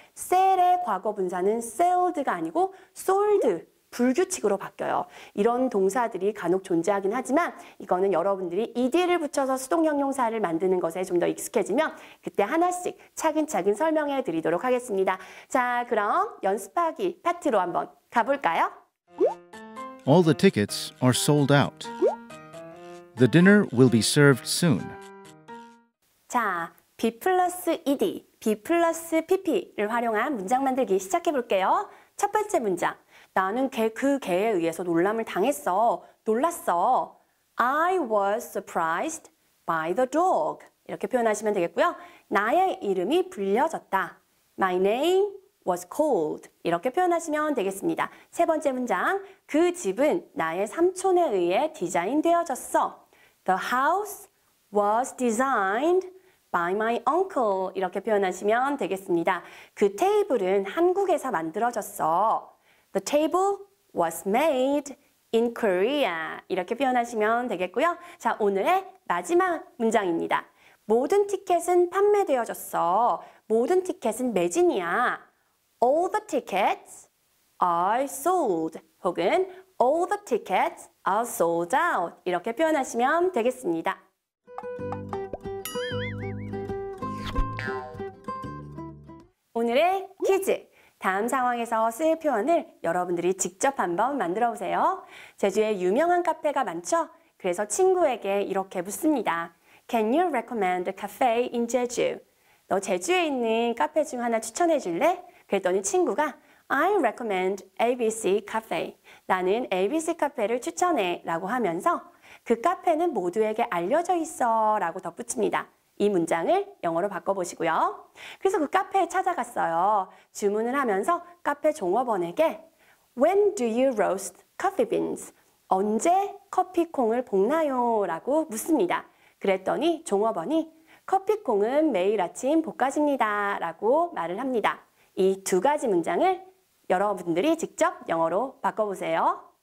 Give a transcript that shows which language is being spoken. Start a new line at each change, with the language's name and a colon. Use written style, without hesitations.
Korean: sell의 과거 분사는 sold가 아니고 sold, 불규칙으로 바뀌어요. 이런 동사들이 간혹 존재하긴 하지만 이거는 여러분들이 ed를 붙여서 수동형용사를 만드는 것에 좀 더 익숙해지면 그때 하나씩 차근차근 설명해 드리도록 하겠습니다. 자, 그럼 연습하기 파트로 한번 가볼까요?
English: All the tickets are sold out. The dinner will be served soon.
Korean: 자, B 플러스 ED, B 플러스 PP를 활용한 문장 만들기 시작해 볼게요. 첫 번째 문장. 나는 그 개에 의해서 놀람을 당했어. 놀랐어.
English: I was surprised by the dog.
Korean: 이렇게 표현하시면 되겠고요. 나의 이름이 불려졌다.
English: My name was called.
Korean: 이렇게 표현하시면 되겠습니다. 세 번째 문장. 그 집은 나의 삼촌에 의해 디자인되어졌어.
English: The house was designed by my uncle.
Korean: 이렇게 표현하시면 되겠습니다. 그 테이블은 한국에서 만들어졌어.
English: The table was made in Korea.
Korean: 이렇게 표현하시면 되겠고요. 자, 오늘의 마지막 문장입니다. 모든 티켓은 판매되어졌어. 모든 티켓은 매진이야.
English: All the tickets are sold.
Korean: 혹은
English: All the tickets are sold out.
Korean: 이렇게 표현하시면 되겠습니다. 오늘의 퀴즈. 다음 상황에서 쓸 표현을 여러분들이 직접 한번 만들어 보세요. 제주에 유명한 카페가 많죠? 그래서 친구에게 이렇게 묻습니다.
English: Can you recommend a cafe in Jeju?
Korean: 너 제주에 있는 카페 중 하나 추천해 줄래? 그랬더니 친구가
English: I recommend ABC Cafe.
Korean: 나는 ABC 카페를 추천해 라고 하면서 그 카페는 모두에게 알려져 있어 라고 덧붙입니다. 이 문장을 영어로 바꿔보시고요. 그래서 그 카페에 찾아갔어요. 주문을 하면서 카페 종업원에게
English: When do you roast coffee beans?
Korean: 언제 커피콩을 볶나요? 라고 묻습니다. 그랬더니 종업원이 커피콩은 매일 아침 볶아집니다. 라고 말을 합니다. 이 두 가지 문장을 여러분들이 직접 영어로 바꿔보세요.